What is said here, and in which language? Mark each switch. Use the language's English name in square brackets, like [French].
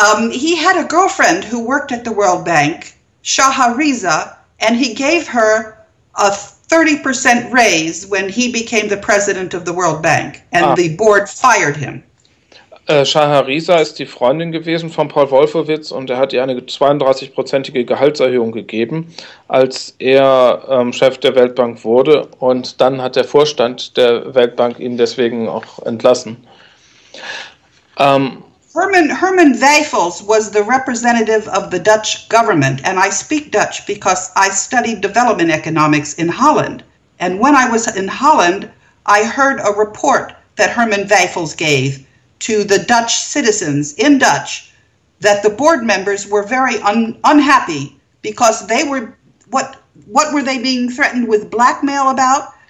[English] He had a girlfriend who worked at the World Bank, Shahariza, and he gave her a 30% raise when he became the president of the World Bank, and the board fired him. [German] Shahariza ist die Freundin gewesen von Paul Wolfowitz und er hat ihr eine 32-prozentige Gehaltserhöhung gegeben, als er Chef der Weltbank wurde und dann hat der Vorstand der Weltbank ihn deswegen auch entlassen. [English] Herman Wijfels was the representative of the Dutch government and I speak Dutch because I studied development economics in Holland. And when I was in Holland, I heard a report that Herman Wijfels gave to the Dutch citizens in Dutch that the board members were very unhappy because they were, what were they being threatened with blackmail about?